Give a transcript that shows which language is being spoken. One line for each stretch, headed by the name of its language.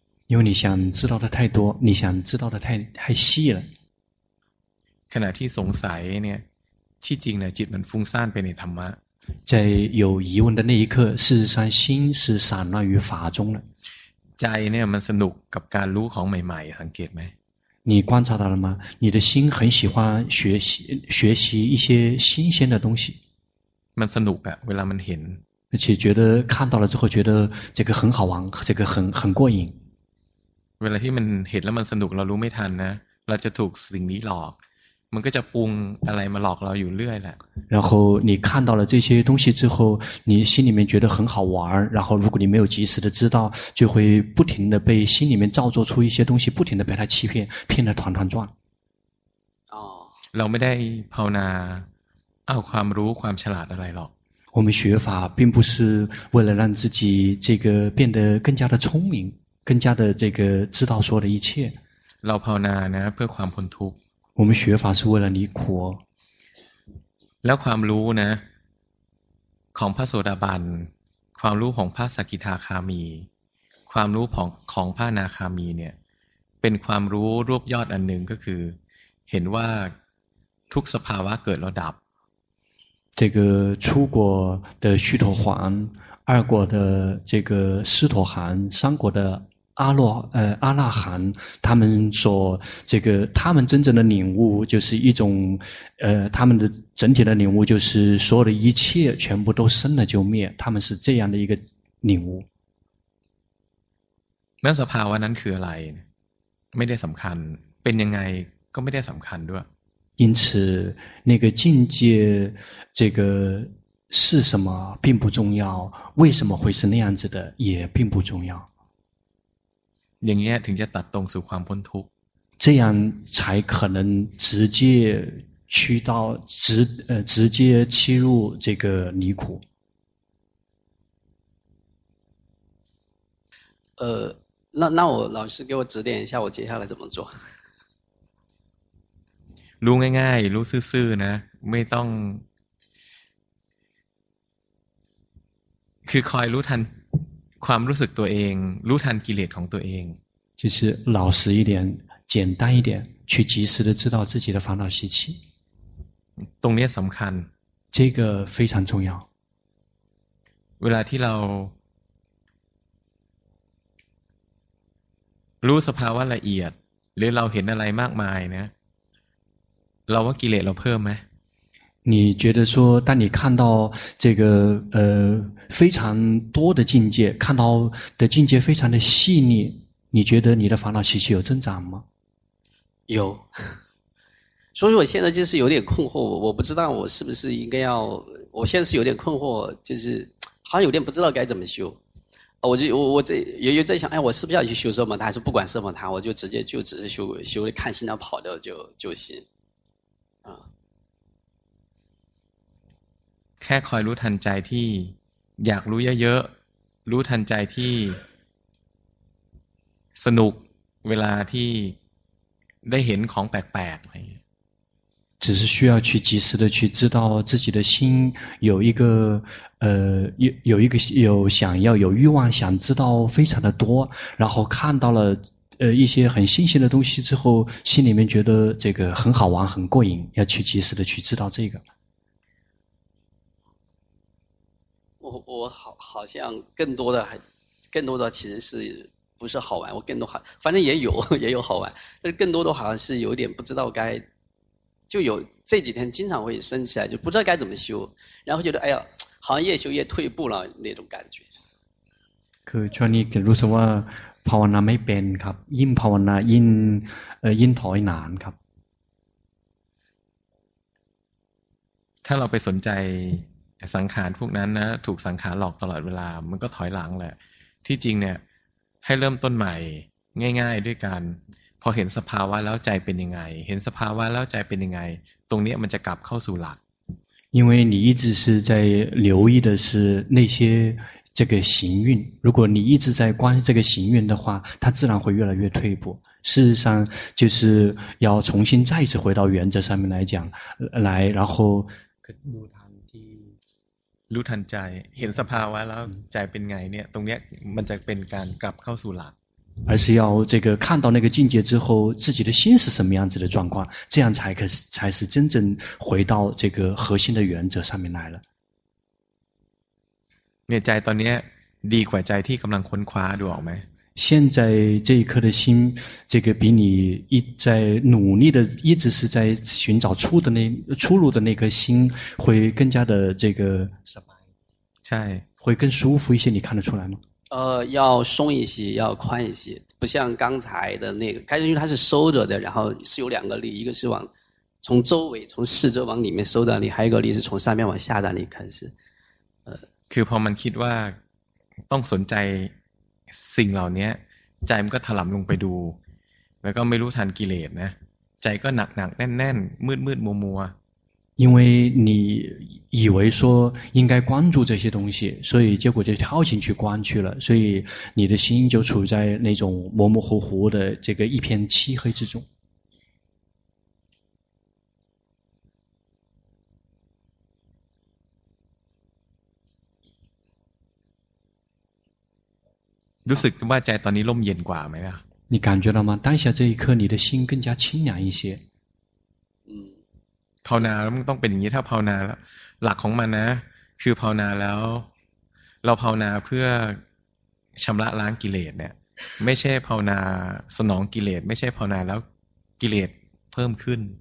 Chinese: 因为你想知道的太细了
Thai: ขณะที่สงสัยเนี่ยที่จริงนะจิตมันฟุ้งซ่านไปในธรรมะ ใจ
Chinese: 有疑问的那一刻事实上心是散乱于法中了
Thai: ใจเนี่ยมันสนุกกับการรู้ของใหม่ๆสังเกตไหม
Chinese: 你观察到了吗你的心很喜欢学习一些新鲜的东西
Thai: มันสนุกอะเวลามันเห็น
Chinese: 而且觉得看到了之后觉得这个很好玩这个很过瘾
Thai: เวลาที่มันเห็นแล้วมันสนุกเรารู้ไม่ทันนะเราจะถูกสิ่งนี้หลอกมันก็จะปรุงอะไรมาหลอกเราอยู่เรื่อยแหละ
Chinese: 然后你看到了这些东西之后你心里面觉得很好玩然后如果你没有及时的知道就会不停的被心里面造作出一些东西不停的被他欺骗骗得团团转哦
Thai: เราไม่ได้ภาวนาเอาความรู้ความฉลาดอะไรหรอก
Chinese: 我们学法并不是为了让自己这个变得更加的聪明更加的这个知道说的一切
Thai: เราภาวนานะเพื่อความพ้นทุกข์
Chinese: 我们学法是为了离苦
Thai: แล้วความรู้นะของพระโสดาบันความรู้ของพระสกิทาคามีความรู้ของพระอนาคามีเนี่ยเป็นความรู้รวบยอดอันหนึ่งก็คือเห็นว่าทุกสภาวะเกิดแล้วดับ
Chinese: 这个出果的须陀洹二果的这个斯陀含三果的阿那含他们所这个他们真正的领悟就是一种他们的整体的领悟就是所有的一切全部都生了就灭他们是这样的一个领悟那
Thai: สภาวะนั้นคืออะไรไม่ได้สำคัญเป็นยังไงก็ไม่ได้สำคัญด้วย
Chinese: 因此那个境界这个是什么并不重要为什么会是那样子的也并不重要
Thai: อย่างนี้ถึงจะตัดตรงสู่ความพ้นทุกข์
Chinese: 这样才可能直接去到直接切入这个离苦那我老师给我指点一下，我接下来怎么做？
Thai: รู้ง่ายๆรู้ซื่อๆนะไม่ต้องคือคอยรู้ทันความรู้สึกตัวเองรู้ทันกิเลสของตัวเอง
Chinese: 就是老实一点简单一点去及时的知道自己的烦恼习气
Thai: ตรงนี้สำคัญ
Chinese: 这个非常重要
Thai: เวลาที่เรารู้สภาวะละเอียดหรือเราเห็นอะไรมากมายนะเราว่ากิเลสเราเพิ่มไหม
Chinese: 你觉得说当你看到这个非常多的境界看到的境界非常的细腻你觉得你的烦恼习气有增长吗有所以我现在就是有点困惑我不知道我是不是应该要我现在是有点困惑就是好像有点不知道该怎么修我这也有在想哎我是不是要去修奢摩他还是不管奢摩他我就直接就只是修看心量跑掉就行
Thai: แค่คอยรู้ทันใจที่อยากรู้เยอะๆรู้ทันใจที่สนุกเวลาที่ได้เห็นของแปลกๆอะไรอย่างเงี้ย
Chinese: 只是需要去及时的去知道自己的心有一个有一个有想要有欲望想知道非常的多然后看到了一些很新鲜的东西之后心里面觉得这个很好玩很过瘾要去及时的去知道这个我好像更多的其实是不是好玩我更多好反正也有好玩但是更多的好像是有点不知道该就有这几天经常会升起来就不知道该怎么修然后觉得哎呀好像越修越退步了那种感觉
Thai: คือช่วงนี้ก็รู้สึกว่าภาวนาไม่เป็นครับยิ่งภาวนายิ่งยิ่งถอยหนานครับ ถ้าเราไปสนใจสังขารพวกนั้นนะถูกสังขารหลอกตลอดเวลามันก็ถอยหลังแหละที่จริงเนี่ยให้เริ่มต้นใหม่ง่ายๆด้วยการพอเห็นสภาวะแล้วใจเป็นยังไงเห็นสภาวะแล้วใจเป็นยังไงตรงนี้มันจะกลับเข้าสู่หลัก
Chinese: 因为你一直是在留意的是那些这个行运如果你一直在观这个行运的话它自然会越来越退步事实上就是要重新再次回到原则上面来讲来然后
Thai: รู้ทันใจเห็นสภาวะแล้วใจเป็นไงเนี่ยตรงเนี้ยมันจะเป็นการกลับเข้าสู่หลัก
Chinese: 而是要这个看到那个境界之后自己的心是什么样子的状况这样才是真正回到这个核心的原则上面来了 เนี่ยใจตอนเนี้ยดีกว่าใจที่กำลังค้นคว้าดูออกไหม 现在这一刻的心这个比你一在努力的一直是在寻找出路的那颗心会更加的这个什么在会更舒服一些你看得出来吗要松一些要宽一些不像刚才的那个开始因为它是收着的然后是有两个力一个是往从周围从四周往里面收的力还有一个力是从上面往下的力开始
Thai: คือพอมันคิดว่าต้องสนใจสิ่งเหล่านี้ใจมันก็ถลำลงไปดูแล้วก็ไม่รู้ทันกิเลสนะใจก็หนักหนักแน่นๆมืดมืดมัวมัว
Chinese: 因为你以为说应该关注这些东西所以结果就跳进去关去了所以你的心就处在那种模模糊糊的这个一片漆黑之中
Thai: รู้สึกว่าใจตอนนี้ร่มเย็นกว่าไหมล่ะ
Chinese: 你感觉到吗当下这一刻你的心更加清凉一些
Thai: ภาวนาแล้วมันต้องเป็นอย่างนี้ถ้าภาวนาแล้วหลักของมันนะคือภาวนาแล้วเราภาวนาเพื่อชำระล้างกิเลสเนี่ยไม่ใช่ภาวนาสนองกิเลสไม่ใช่ภาวนาแล้วกิเลสเพิ่มขึ้น